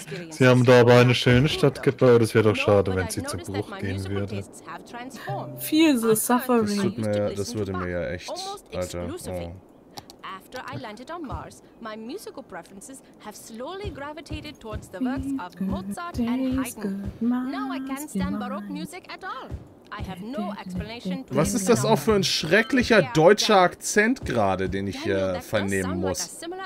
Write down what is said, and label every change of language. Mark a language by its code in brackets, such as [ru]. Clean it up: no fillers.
[de] Sie haben da aber eine schöne Stadt gebaut. Es wäre doch schade, wenn sie zu Bruch gehen würde. Viel so suffering. Das tut mir, das würde mir ja echt, Alter. Oh. [en] After I landed on Mars, my musical preferences have slowly gravitated towards the works of Mozart and Haydn. Now I can't stand Baroque music at all. I have no explanation. [de] Was ist das auch für ein schrecklicher deutscher Akzent gerade, den ich hier vernehmen muss?